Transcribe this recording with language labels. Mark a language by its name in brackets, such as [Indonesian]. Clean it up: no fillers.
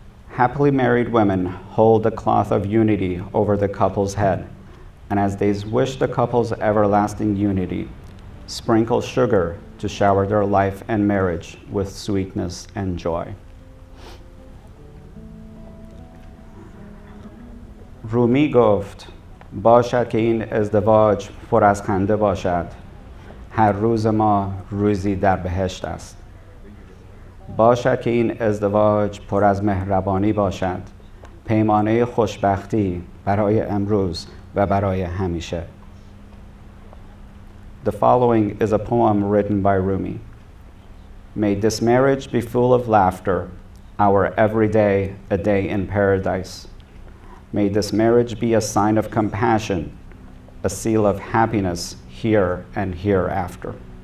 [English] Happily married women hold a cloth of unity over the couple's head, and as they wish the couple's everlasting unity, sprinkle sugar to shower their life and marriage with sweetness and joy. [Persian] Rumi goft, باشد که این ازدواج پر از خنده باشد. هر روز ما روزی در بهشت است. باشد که این ازدواج پر از مهربانی باشد. پیمانه خوشبختی برای امروز و برای همیشه. [English] The following is a poem written by Rumi. May this marriage be full of laughter, our every day a day in paradise. May this marriage be a sign of compassion, a seal of happiness here and hereafter.